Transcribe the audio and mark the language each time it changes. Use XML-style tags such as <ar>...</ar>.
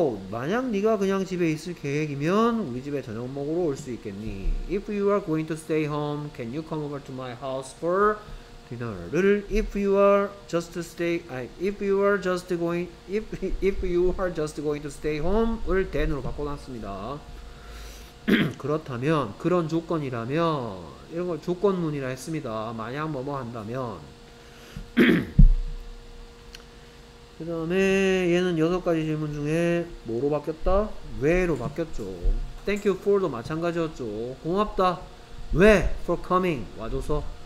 <ko>만약 네가 그냥 집에 있을 계획이면 우리 집에 저녁 먹으러 올수 있겠니?</ko> <en>If you are going to stay home, can you come over to my house for dinner?를 if you are just going to stay home을 then으로</en> <ko>바꿔 놨습니다. 그렇다면 그런 조건이라면 이런 걸 조건문이라 했습니다. 만약 뭐뭐 한다면 그 다음에 얘는 여섯 가지 질문 중에 뭐로 바뀌었다? 왜로 바뀌었죠.</ko> <en>Thank you for</en> <ko>도 마찬가지였죠. 고맙다. 왜?</ko> <en>For coming.</en> <ko>와줘서.</ko>